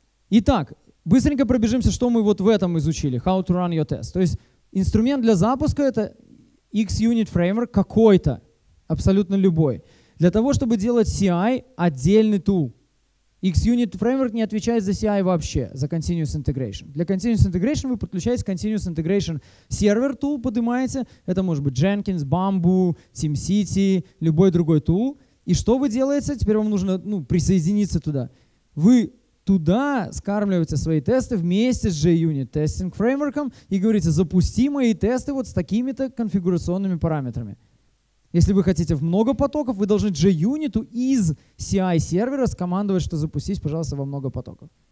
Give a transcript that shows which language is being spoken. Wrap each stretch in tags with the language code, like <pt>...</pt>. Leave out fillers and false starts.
<ru>Итак, быстренько пробежимся, что мы вот в этом изучили.</ru> <en>How to run your test.</en> <ru>То есть инструмент для запуска — это XUnit Framework какой-то, абсолютно любой. Для того, чтобы делать CI, отдельный tool. XUnit Framework не отвечает за CI вообще, за Continuous Integration. Для Continuous Integration вы подключаете Continuous Integration Server Tool, поднимаете, это может быть Jenkins, Bamboo, TeamCity, любой другой tool. И что вы делаете? Теперь вам нужно, ну, присоединиться туда. Вы туда скармливаете свои тесты вместе с JUnit Testing Framework и говорите, запусти мои тесты вот с такими-то конфигурационными параметрами. Если вы хотите в много потоков, вы должны JUnit из CI-сервера скомандовать, что запустить, пожалуйста, во много потоков.</ru>